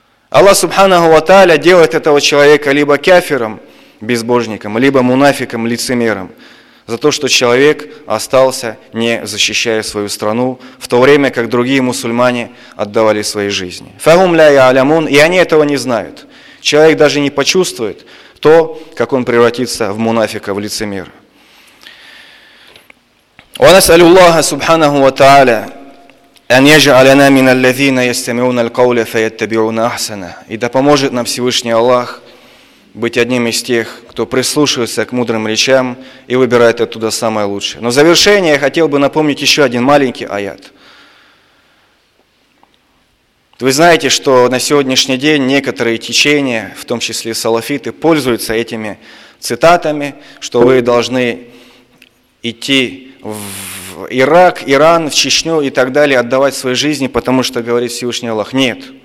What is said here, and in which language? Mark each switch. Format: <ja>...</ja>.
<ru>Аллах субханаху ва тааля делает этого человека либо кафиром, безбожником, либо мунафиком, лицемером, за то, что человек остался, не защищая свою страну, в то время как другие мусульмане отдавали свои жизни. «Фахум ля яалямун», и они этого не знают. Человек даже не почувствует то, как он превратится в мунафика, в лицемера.</ru> <ar>ونسأل الله سبحانه وتعالى أن يجعلنا من الذين يستمعون القول فيتبعون أحسنه.</ar> <ru>И да поможет нам Всевышний Аллах быть одним из тех, кто прислушивается к мудрым речам и выбирает оттуда самое лучшее. Но в завершение я хотел бы напомнить еще один маленький аят. Вы знаете, что на сегодняшний день некоторые течения, в том числе салафиты, пользуются этими цитатами, что вы должны идти в Ирак, Иран, в Чечню и так далее, отдавать свои жизни, потому что, говорит Всевышний Аллах, нет.</ru>